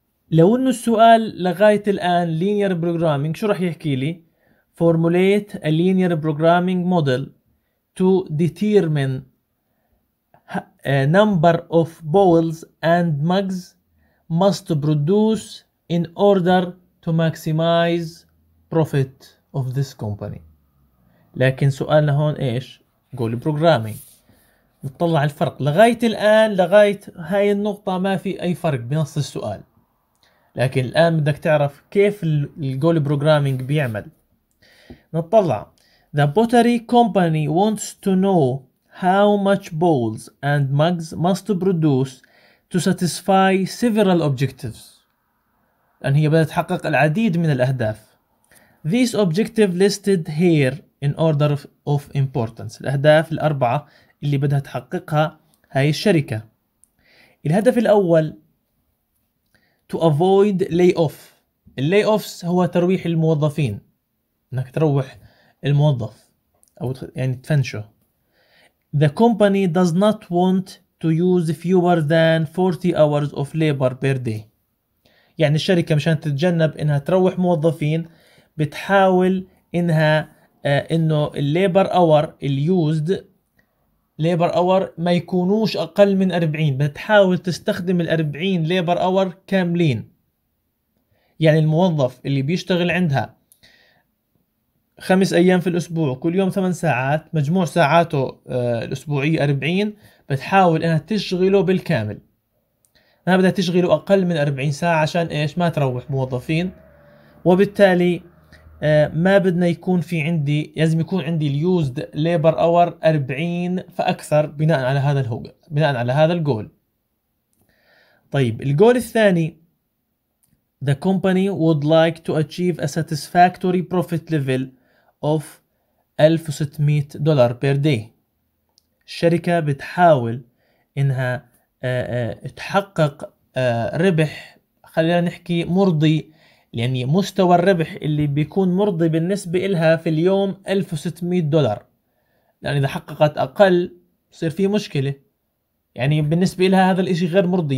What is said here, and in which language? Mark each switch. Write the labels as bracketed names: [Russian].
[Arabic] لو انه السؤال لغايه الان [English] linear programming [Arabic] شو راح يحكي لي؟ [English] Formulate a linear programming model to determine number of bowls and mugs must produce in order to maximize profit of this company. [Arabic] لكن سؤالنا هون ايش؟ قول بروجرامينج. نطلع الفرق لغاية الان لغاية هاي النقطة ما في اي فرق بنص السؤال. لكن الان بدك تعرف كيف الجول بروجرامينج بيعمل. نطلع [English] The pottery company wants to know how much bowls and mugs must produce to satisfy several objectives. [Arabic] لان هي بدها تحقق العديد من الاهداف. [English] These objectives listed here in order of importance. [Arabic] الأهداف الأربعة اللي بدها تحققها هاي الشركة. الهدف الأول [English] to avoid layoff. [Arabic] Layoffs هو ترويح الموظفين. إنك تروح الموظف أو يعني تفنشه. [English] The company does not want to use fewer than 40 hours of labor per day. [Arabic] يعني الشركة مشان تتجنب إنها تروح موظفين بتحاول انها انه الليبر اور اليوزد ليبر اور ما يكونوش اقل من 40. بتحاول تستخدم ال 40 ليبر اور كاملين. يعني الموظف اللي بيشتغل عندها 5 ايام في الاسبوع كل يوم 8 ساعات مجموع ساعاته الاسبوعيه 40 بتحاول انها تشغله بالكامل. ما بدها تشغله اقل من 40 ساعه عشان ايش؟ ما تروح موظفين. وبالتالي ما بدنا يكون في عندي لازم يكون عندي اليوزد ليبر اور 40 فاكثر بناء على هذا الهوج بناء على هذا الجول. طيب الجول الثاني [English] the company would like to achieve a satisfactory profit level of $1,600 per day. [Arabic] الشركه بتحاول انها تحقق ربح خلينا نحكي مرضي. يعني مستوى الربح اللي بيكون مرضي بالنسبة إلها في اليوم $1,600. يعني إذا حققت أقل بصير فيه مشكلة. يعني بالنسبة إلها هذا الإشي غير مرضي.